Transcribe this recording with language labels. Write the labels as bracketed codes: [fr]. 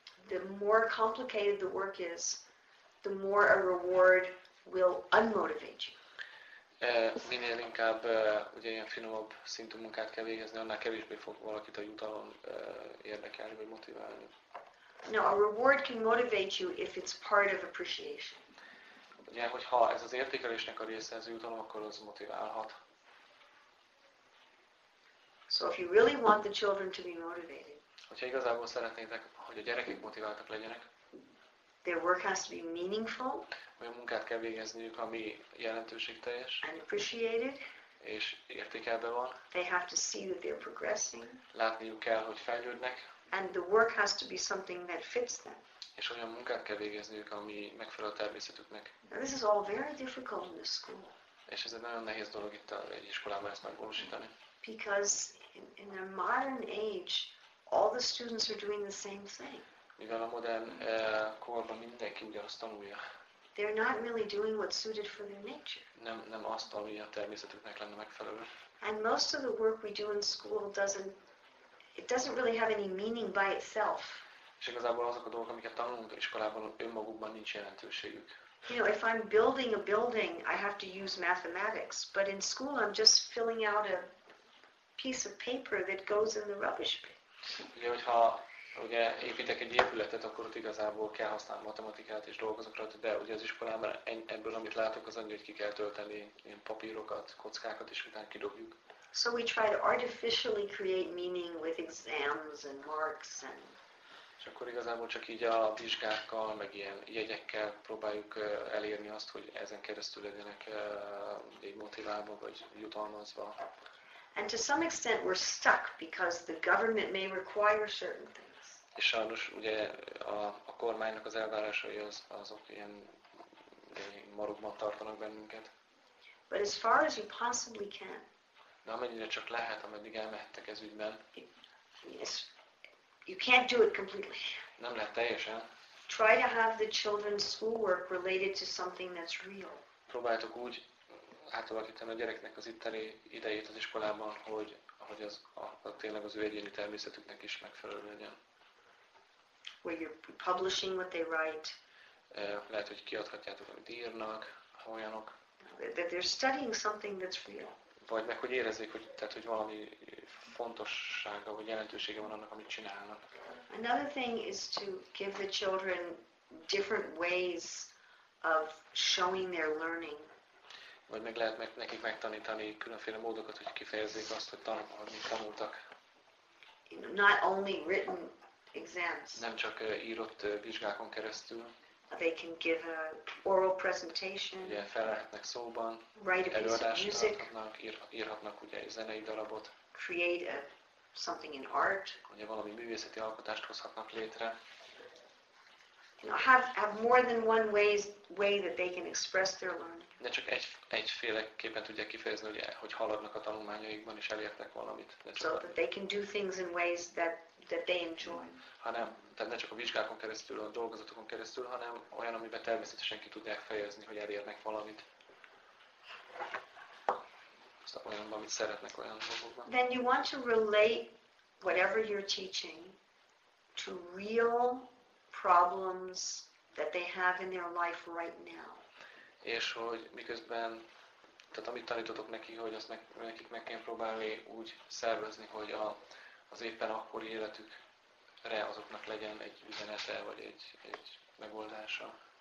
[en] The more complicated the work is, the more a reward will unmotivate you. [hu] Minél inkább ugye ilyen finomabb szintű munkát kell végezni, annál kevésbé fog valakit a jutalom érdekelni vagy motiválni. [en] No, a reward can motivate you if it's part of appreciation. [hu] Ugye, hogyha ez az értékelésnek a része, ez a jutalom, akkor az motiválhat. [en] So if you really want the children to be motivated. [hu] Hogyha igazából szeretnétek, hogy a gyerekek motiváltak legyenek. [en] Their work has to be meaningful. [hu] Olyan munkát kell végezniük, ami jelentőségteljes. [en] And appreciated. [hu] És értékelve van. [en] They have to see that they're progressing. [hu] Látniuk kell, hogy fejlődnek. [en] And the work has to be something that fits them. [hu] És olyan munkát kell végezniük, ami megfelel a természetüknek. [en] Now this is all very difficult in the school. [hu] És ez egy nagyon nehéz dolog itt egy iskolában ezt megvalósítani. [en] Because in a modern age, all the students are doing the same thing. [hu] Mivel a modern korban mindenki ugyanazt tanulja. [en] They're not really doing what's suited for their nature. [hu] Nem azt, ami a természetüknek lenne megfelelő. [en] And most of the work we do in school doesn't really have any meaning by itself. [hu] És igazából azok a dolgok, amiket tanulunk iskolában, önmagukban nincs jelentőségük. [en] You know, if I'm building a building, I have to use mathematics. But in school, I'm just filling out a piece of paper that goes in the rubbish bin. [hu] Ugye, hogyha ugye építek egy épületet, akkor ott igazából kell használni matematikát és dolgozok rajta, de ugye az iskolában ebből, amit látok, az annyi, hogy ki kell tölteni ilyen papírokat, kockákat, és utána kidobjuk. [en] So we try to artificially create meaning with exams and marks and... [hu] És akkor igazából csak így a vizsgákkal, meg ilyen jegyekkel próbáljuk elérni azt, hogy ezen keresztül legyenek így motiválva, vagy jutalmazva. [en] And to some extent we're stuck because the government may require certain things. [hu] És sajnos ugye a kormánynak az elvárásai azok ilyen marokban tartanak bennünket. [en] But as far as you possibly can. [hu] De amennyire csak lehet, ameddig elmehettek ez ügyben. [en] Yes, you can't do it completely. [hu] Nem lehet teljesen. [en] Try to have the children's schoolwork related to something that's real. [hu] Próbáltok úgy átalakítani a gyereknek az itteni idejét az iskolában, hogy az a tényleg az ő egyéni természetüknek is megfelelő legyen. [en] Where you're publishing what they write. [hu] Lehet, hogy kiadhatjátok, amit írnak, olyanok. [en] That they're studying something that's real. [hu] Vagy meg, hogy érezzék, hogy, tehát, hogy valami fontossága, vagy jelentősége van annak, amit csinálnak. [en] Another thing is to give the children different ways of showing their learning. [hu] Vagy meg lehet nekik megtanítani különféle módokat, hogy kifejezzék azt, hogy tanultak. [en] Not only written exams. [hu] Nem csak írott vizsgákon keresztül. [en] They can give a oral presentation. [hu] Ugye fel lehetnek szóban. [en] Write a piece of music. [hu] Írhatnak ugye egy zenei darabot. [en] Create something in art. [hu] Ugye valami művészeti alkotást hozhatnak létre. [en] You know, have more than one way that they can express their learning. [hu] De csak egyféleképpen tudják kifejezni, hogy haladnak a tanulmányaikban és elértek valamit. [en] So that they can do things in ways that they enjoy. [hu] Hanem, tehát ne csak a vizsgákon keresztül, a dolgozatokon keresztül, hanem olyan, amiben természetesen ki tudják fejezni, hogy elérnek valamit. Aztán olyanban, amit szeretnek olyan dolgokban. [en] Then you want to relate whatever you're teaching to real problems that they have in their life right now. [hu] És hogy miközben, tehát amit tanítotok neki, hogy azt nekik meg kell próbálni úgy szervezni, hogy az éppen akkori életükre azoknak legyen egy üzenete, vagy egy megoldása.